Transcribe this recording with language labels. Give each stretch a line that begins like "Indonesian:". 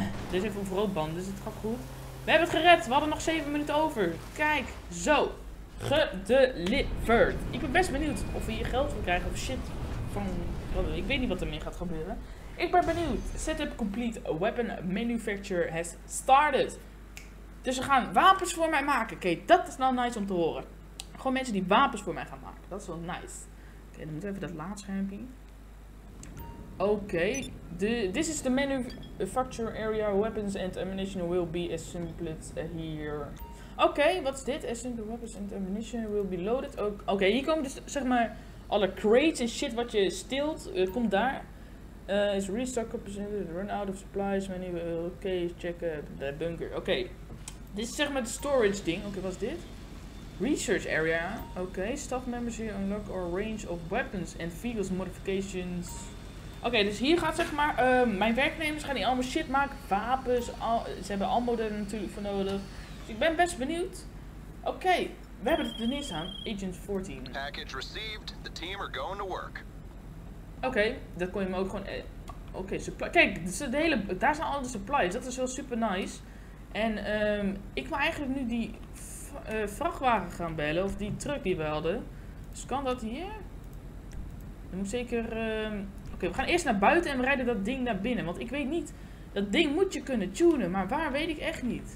Dutch: Deze heeft een verroodband, dus het gaat goed. We hebben het gered. We hadden nog 7 minuten over. Kijk. Zo. Gedeliverd. Ik ben best benieuwd of we hier geld van krijgen of shit. Ik weet niet wat ermee gaat gebeuren. Ik ben benieuwd.
English: Setup complete. A weapon manufacturer has started.
Dutch: Dus we gaan wapens voor mij maken. Oké, dat is nou nice om te horen. Gewoon mensen die wapens voor mij gaan maken. Dat is wel nice. Oké, dan moeten we even dat laadschermpje.
English: Oké, this is the manufacture area. Weapons and ammunition will be assembled here.
Dutch: Oké, wat is dit?
English: Assembled weapons and ammunition will be loaded.
Dutch: Oké, hier komen dus zeg maar alle crates en shit wat je steelt. Komt daar.
English: Is restock represented, run out of supplies.
Dutch: Oké, check de bunker. Oké, dit is zeg maar het storage ding. Oké, wat is dit? Research area.
English: Oké, staff members here unlock a range of weapons and vehicles modifications.
Dutch: Oké, dus hier gaat zeg maar, mijn werknemers gaan die allemaal shit maken. Wapens, ze hebben allemaal er natuurlijk voor nodig. Dus ik ben best benieuwd. Oké, we hebben het er niet aan. Agent 14.
English: Package received, the team are going to work.
Dutch: Oké, dat kon je me ook gewoon... kijk, dus de hele, daar zijn al de supplies, dat is wel super nice. En ik wil eigenlijk nu die vrachtwagen gaan bellen, of die truck die we hadden. Dus kan dat hier? Dan moet zeker... Oké, we gaan eerst naar buiten en we rijden dat ding naar binnen. Want ik weet niet, dat ding moet je kunnen tunen, maar waar weet ik echt niet.